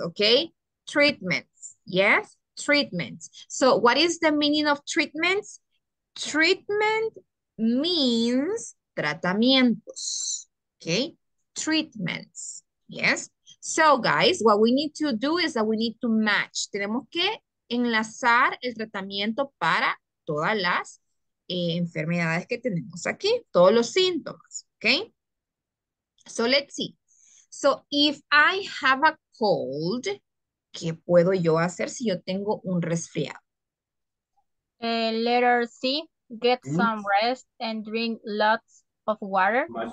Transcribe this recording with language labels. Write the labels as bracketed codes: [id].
[en] Okay. Treatments. Yes. Treatments. So, what is the meaning of treatments? Treatment means tratamientos. Okay. Treatments. Yes. So, guys, what we need to do is that we need to match. [es] Tenemos que enlazar el tratamiento para todas las enfermedades que tenemos aquí, todos los síntomas, okay? [en] So, let's see. So, if I have a cold, [es] ¿qué puedo yo hacer si yo tengo un resfriado? [en] Letter C, get some rest and drink lots of water.